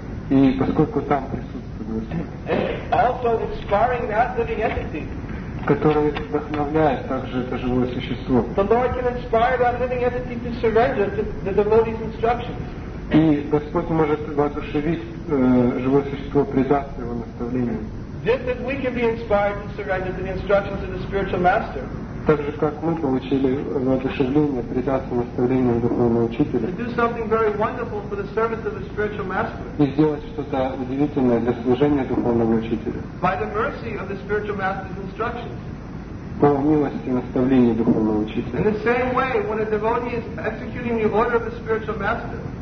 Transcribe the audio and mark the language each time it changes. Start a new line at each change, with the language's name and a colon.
Russian: И поскольку там присутствует Господь.
English: Also inspiring that living entity.
Russian: который вдохновляет также это живое существо.
English: The Lord can inspire that living entity to surrender to the devotee's instructions.
Russian: И Господь может воодушевить живое существо предаться его наставлениям.
English: Just as we can be inspired to surrender to the instructions of the spiritual master.
Russian: Так же, как мы получили воодушевление предаться наставлениям духовного учителя.
English: To do something very wonderful for the service of the spiritual master.
Russian: И сделать что-то удивительное для служения духовного учителя.
English: By the mercy of the spiritual master's instructions.
Russian: По милости наставления духовного учителя.
English: In the same way, when a devotee is executing the order of the spiritual master.